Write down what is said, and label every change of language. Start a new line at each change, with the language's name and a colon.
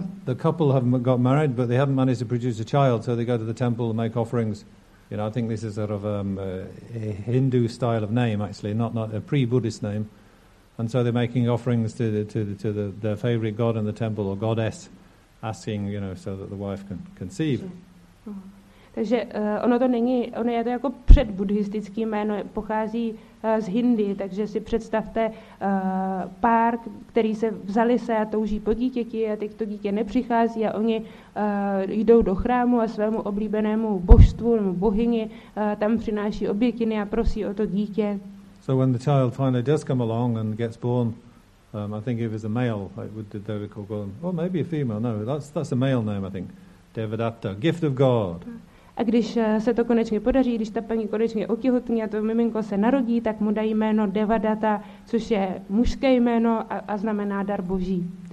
English: So the couple have got married, but they haven't managed to produce a child, so they go to the temple and make offerings. I think this is sort of a Hindu style of name, actually, not a pre-Buddhist name. And so they're making offerings to their favorite god in the temple or goddess, asking, so that the wife can conceive.
Czech: Takže ono to není, ono je to jako předbuddhistický jméno, pochází z Hindy, takže si představte pár, který se vzali se a touží po dítěti a teď to dítě nepřichází a oni jdou do chrámu a svému oblíbenému božstvu nebo bohyni tam přináší obětiny a prosí o to dítě.
English: So when the child finally does come along and gets born, I think if it's a male, maybe a female, no, that's a male name, I think. Devadatta, gift of God.
Czech: A když se to konečně podaří, když ta paní konečně otěhotní a to miminko se narodí, tak mu dají jméno Devadatta, což je mužské jméno a znamená dar boží.